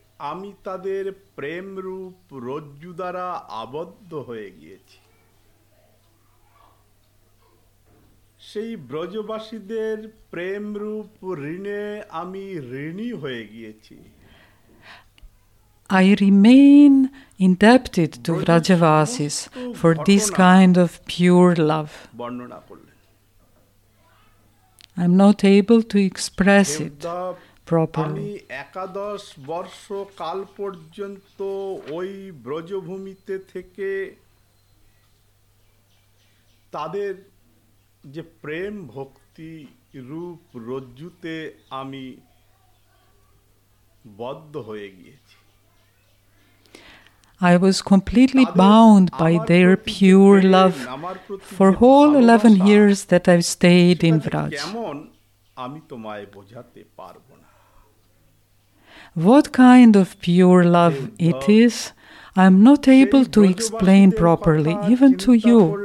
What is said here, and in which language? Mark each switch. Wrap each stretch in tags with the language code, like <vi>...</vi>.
<bn>আমি তাদের প্রেম রূপ রজ্জু দ্বারা আবদ্ধ হয়ে গিয়েছি. সেই ব্রজবাসীদের প্রেম রূপ ঋণে আমি ঋণী হয়ে গিয়েছি.</bn> <en>I remain indebted to Vrajavasis for this kind of pure love.</en> <bn>বর্ণনা করলেন.</bn> <en>I am not able to express it properly.</en> <bn>আমি একাদশ বর্ষ কাল পর্যন্ত ওই ব্রজভূমিতে থেকে তাদের যে প্রেম ভক্তি রূপ রজ্জুতে আমি বদ্ধ হয়ে গিয়েছি.</bn> <en>I was completely bound by their pure love for whole 11 years that I've stayed in Vraj.</en> <bn>কেমন আমি তোমায় বোঝাতে পারবো না.</bn> <en>What kind of pure love it is, I am not able to explain properly, even to you.</en>